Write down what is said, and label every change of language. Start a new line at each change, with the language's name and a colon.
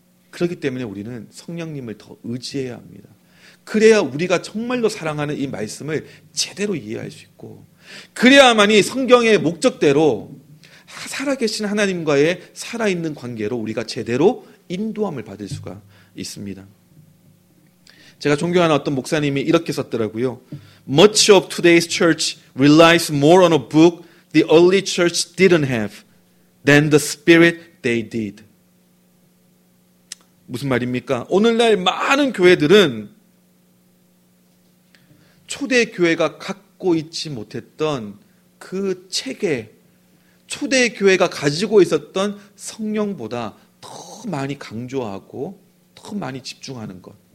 Korean: 그렇기 때문에 우리는 성령님을 더 의지해야 합니다. 그래야 우리가 정말로 사랑하는 이 말씀을 제대로 이해할 수 있고 그래야만이 성경의 목적대로 살아계신 하나님과의 살아있는 관계로 우리가 제대로 인도함을 받을 수가 있습니다. 제가 존경하는 어떤 목사님이 이렇게 썼더라고요.
English: Much of today's church relies more on a book the early church didn't have than the spirit they did.
Korean: 무슨 말입니까? 오늘날 많은 교회들은 초대교회가 갖고 있지 못했던 그 책에 초대교회가 가지고 있었던 성령보다 더 많이 강조하고 더 많이 집중하는 것.